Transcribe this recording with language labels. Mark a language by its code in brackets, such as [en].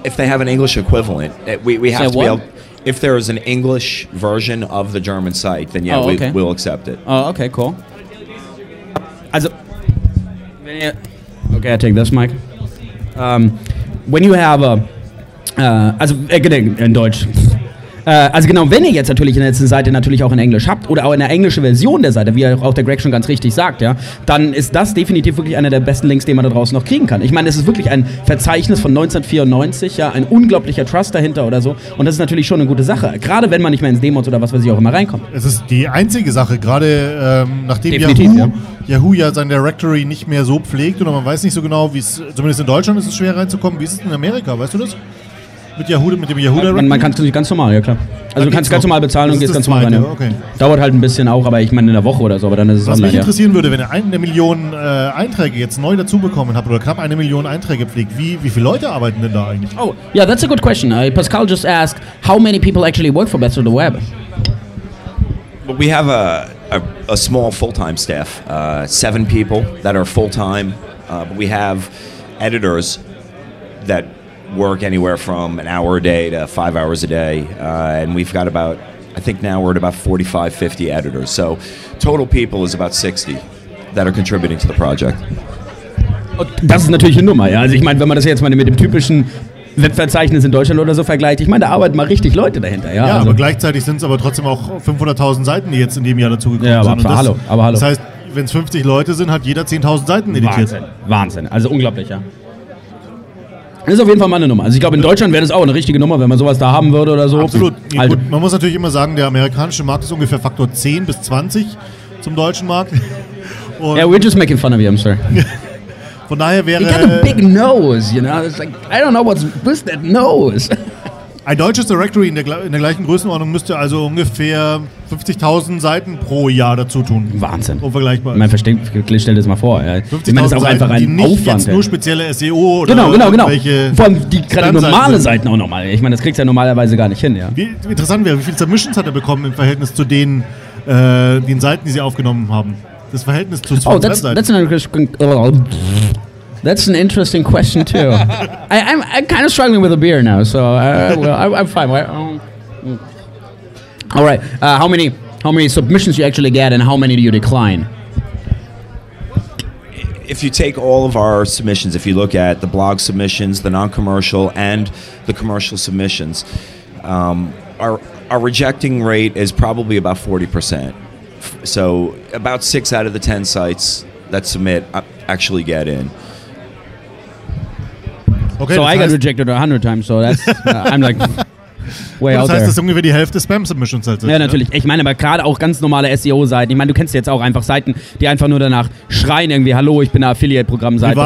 [en] if they have an English equivalent, we have to be able, if there is an English version of the German site, then yeah, we'll accept it. Oh, okay, cool. [de] Also, wenn ihr, [en] okay, I take this mic. When you have a, [de] also in Deutsch. Also genau, wenn ihr jetzt natürlich eine Seite natürlich auch in Englisch habt oder auch eine englische Version der Seite, wie auch der Greg schon ganz richtig sagt, ja, dann ist das definitiv wirklich einer der besten Links, den man da draußen noch kriegen kann. Ich meine, es ist wirklich ein Verzeichnis von 1994, ja, ein unglaublicher Trust dahinter oder so, und das ist natürlich schon eine gute Sache, gerade wenn man nicht mehr ins Demos oder was weiß ich auch immer reinkommt. Es ist die einzige Sache, gerade nachdem Yahoo ja sein Directory nicht mehr so pflegt oder man weiß nicht so genau, wie es, zumindest in Deutschland ist es schwer reinzukommen, wie ist es in Amerika, weißt du das? Mit Yahoo, mit dem Yahoo Directory? Man kann es ganz normal, ja klar. Also da du kannst ganz normal bezahlen und gehst ganz normal rein. Ja. Okay. Dauert halt ein bisschen auch, aber ich meine in der Woche oder so, aber dann ist es was online. Was mich interessieren würde, wenn ihr eine Million Einträge jetzt neu dazu bekommen habt oder knapp eine Million Einträge pflegt, wie viele Leute arbeiten denn da eigentlich? [en] Oh, yeah, that's a good question. Pascal just asked, how many people actually work for Best of the Web? Well, we have a small full-time staff, 7 people that are full-time. But we have editors that work anywhere from an hour a day to 5 hours a day, and we've got about, I think now we're at about 45-50 editors, so total people is about 60 that are contributing to the project. [de] Das ist natürlich eine Nummer, ja, also ich meine, wenn man das jetzt mal mit dem typischen Webverzeichnis in Deutschland oder so vergleicht, ich meine, da arbeiten mal richtig Leute dahinter, ja. Ja, also aber gleichzeitig sind es aber trotzdem auch 500.000 Seiten, die jetzt in dem Jahr dazugekommen sind. Ja, aber hallo. Das heißt, wenn es 50 Leute sind, hat jeder 10.000 Seiten editiert. Wahnsinn, also unglaublich, ja. Das ist auf jeden Fall mal eine Nummer. Also ich glaube, in Deutschland wäre das auch eine richtige Nummer, wenn man sowas da haben würde oder so. Absolut. Nee, also man muss natürlich immer sagen, der amerikanische Markt ist ungefähr Faktor 10 bis 20 zum deutschen Markt. [en] Und yeah, we're just making fun of you, I'm sorry. [de] Von daher wäre... [en] You got a big nose, you know. It's like, I don't know what's that nose. [de] Ein deutsches Directory in der gleichen Größenordnung müsste also ungefähr 50.000 Seiten pro Jahr dazu tun. Wahnsinn. Unvergleichbar. Man versteht, stell das mal vor. Ja. 50.000 ist auch einfach Seiten, ein Aufwand. Jetzt nur spezielle SEO oder genau. Vor allem die gerade normale Seiten auch nochmal. Ich meine, das kriegst du ja normalerweise gar nicht hin. Ja. Wie interessant wäre, wie viel Submissions hat er bekommen im Verhältnis zu den Seiten, die sie aufgenommen haben? Das Verhältnis zu Seiten. [en] That's an interesting question too. I'm kind of struggling with a beer now, so I'm fine. All right. How many submissions you actually get, and how many do you decline? if you take all of our submissions, if you look at the blog submissions, the non-commercial, and the commercial submissions, our rejecting rate is probably about 40%. So about 6 out of the 10 sites that submit actually get in. Okay, so I got rejected 100 times, so that's I'm like... [de] Das heißt, there. Das ist ungefähr die Hälfte Spam-Submissions. Halt ja, natürlich. Ja? Ich meine aber gerade auch ganz normale SEO-Seiten. Ich meine, du kennst jetzt auch einfach Seiten, die einfach nur danach schreien irgendwie, hallo, ich bin eine Affiliate-Programm-Seite.